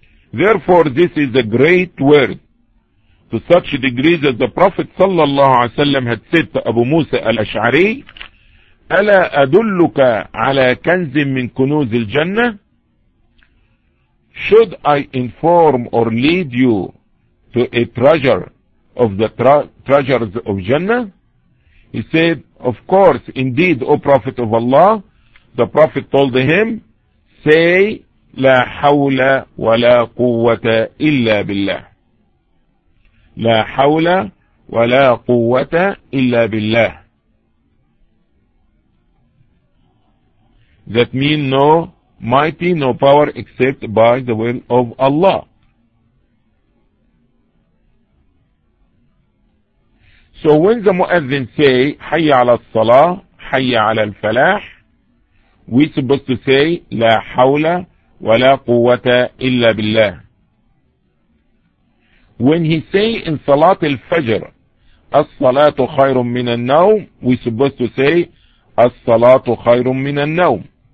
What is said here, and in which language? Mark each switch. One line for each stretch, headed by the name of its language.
English: Therefore, this is a great word, to such a degree that the Prophet sallallahu alaihi wasallam had said to Abu Musa al-Ash'ari,
Arabic: أَلَا أَدُلُّكَ عَلَى كَنْزٍ مِّن كُنُوزِ الْجَنَّةِ.
English: Should I inform or lead you to a treasure of the treasures of Jannah? He said, of course, indeed, O Prophet of Allah. The Prophet told him, say,
Arabic: لا حول ولا قوة إلا بالله. لا حول ولا قوة إلا بالله.
English: That means no mighty, no power except by the will of Allah. So when the muezzin say
Arabic: حي على الصلاة حي على الفلاح,
English: we supposed to say
Arabic: لا حول ولا قوة إلا بالله.
English: When he say in صلاة الفجر
Arabic: الصلاة خير من النوم,
English: we supposed to say الصلاة خير من النوم.